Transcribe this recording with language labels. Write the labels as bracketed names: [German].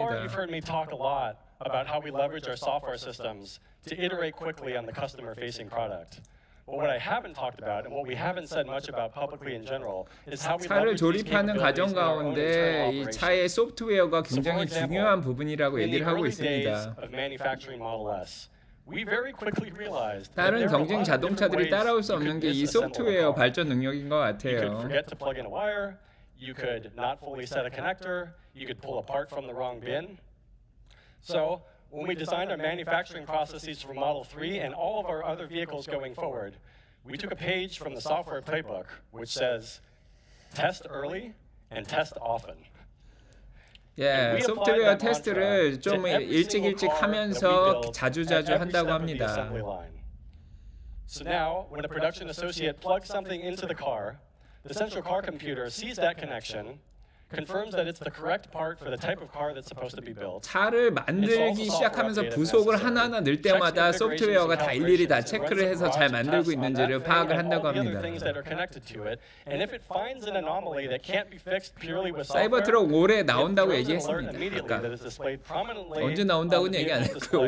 [English] So far, you've heard me talk a lot about how we leverage our software systems to iterate quickly on the customer-facing product. But what I haven't talked about, and what we haven't said much about publicly in general, is how we leverage these capabilities in our own entire operation. So, for example, in the early days of manufacturing Model S, we very quickly realized that there were a lot of different ways you could disassemble a car. [Korean] 다른 경쟁 자동차들이 따라올 수 없는 게 이 소프트웨어 발전 능력인 것 같아요. [English] You could forget to plug in a wire. You could not fully set a connector. You could pull a part from the wrong bin. So when we designed our manufacturing processes for Model 3 and all of our other vehicles going forward, we took a page from the software playbook, which says, test early and test often. [Korean] Yeah, 소프트웨어 테스트를 좀 일찍 하면서 자주 한다고 합니다. [English] So now, when a production associate plugs something into the car, the central car computer sees that connection, confirms that it's the correct part for the type of car that's supposed to be built. [Korean] 차를 만들기 시작하면서 부속을 하나하나 넣을 때마다 소프트웨어가 다 일일이 다 체크를 해서 잘 만들고 있는지를 파악을 한다고 합니다. [English] And if it finds an anomaly that can't be fixed purely with [Korean] software, 사이버트럭 올해 나온다고 얘기했습니다. 아까 언제 나온다고는 얘기 안 했고요.